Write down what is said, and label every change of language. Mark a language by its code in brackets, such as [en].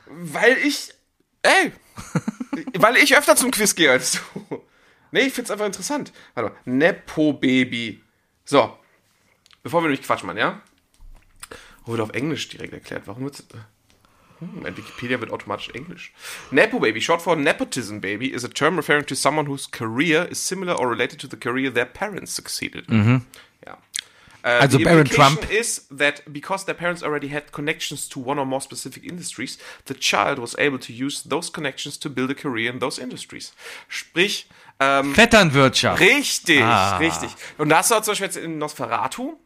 [de] Weil ich, ey, weil ich öfter zum Quiz gehe als du. Nee, ich find's einfach interessant. Warte mal, Nepo-Baby. So, bevor wir nämlich Quatsch machen, ja? Wurde auf Englisch direkt erklärt. Warum wird's, mein Wikipedia wird automatisch Englisch. [en] Nepo-Baby, short for Nepotism Baby, is a term referring to someone whose career is similar or related to the career their parents succeeded. Mhm. Also the implication Trump. Is that because their parents already had connections to one or more specific industries, the child was able to use those connections to build a career in those industries. [de] Sprich, Vetternwirtschaft. Richtig, ah. Richtig. Und das war zum Beispiel jetzt in Nosferatu.